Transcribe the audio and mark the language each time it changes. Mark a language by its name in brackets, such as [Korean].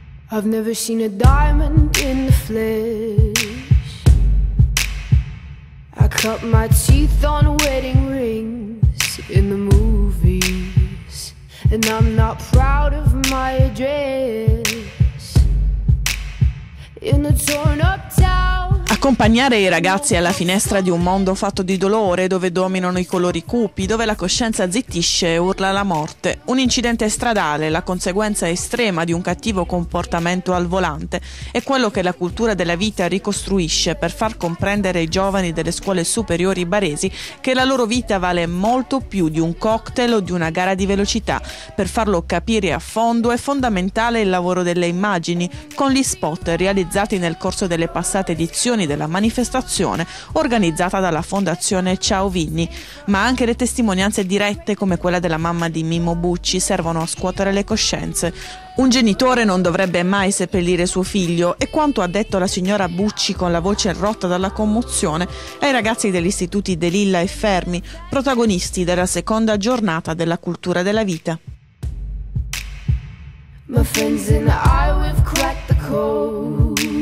[English] I've never seen a diamond in the flesh. I cut my teeth on wedding rings in the movies, and I'm not proud of my address in the torn up town. [Italian] Accompagnare i ragazzi alla finestra di un mondo fatto di dolore, dove dominano i colori cupi, dove la coscienza zittisce e urla la morte. Un incidente stradale, la conseguenza estrema di un cattivo comportamento al volante, è quello che la cultura della vita ricostruisce per far comprendere ai giovani delle scuole superiori baresi che la loro vita vale molto più di un cocktail o di una gara di velocità. Per farlo capire a fondo è fondamentale il lavoro delle immagini, con gli spot realizzati nel corso delle passate edizioni della manifestazione organizzata dalla Fondazione Ciao Vinni, ma anche le testimonianze dirette come quella della mamma di Mimmo Bucci servono a scuotere le coscienze. Un genitore non dovrebbe mai seppellire suo figlio, e quanto ha detto la signora Bucci con la voce rotta dalla commozione ai ragazzi degli istituti De Lilla e Fermi, protagonisti della seconda giornata della cultura della vita. [English] My friends and I, we've cracked the code.